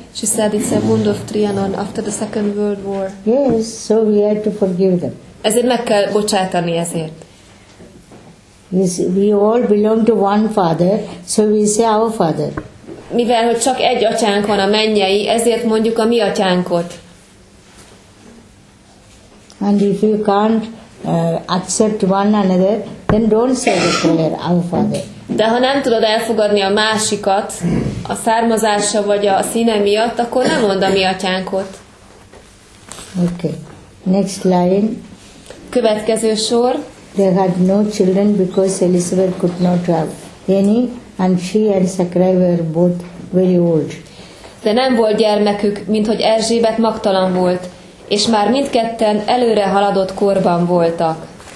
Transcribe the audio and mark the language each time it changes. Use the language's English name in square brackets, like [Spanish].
[English] She said it's a wound of Trianon after the Second World War. Yes, so we had to forgive them. [Hungarian] Ezért meg kell bocsátani ezért. [English] We all belong to one father, so we say our father. [Hungarian] Mivel hogy csak egy atyánk van a mennyei, ezért mondjuk a mi atyánkot. [English] And if you can't accept one another, then don't say the prayer, our father. [Hungarian] De ha nem tudod elfogadni a másikat, a származása vagy a színe miatt, akkor nem mondd a mi atyánkot. [English] Okay. Next line. [Hungarian] Következő sor. [English] They had no children because Elizabeth could not have any, and she and Zachary were both very old. [Hungarian] De nem volt gyermekük, mint hogy Erzsébet magtalan volt, és már mindketten előre haladott korban voltak.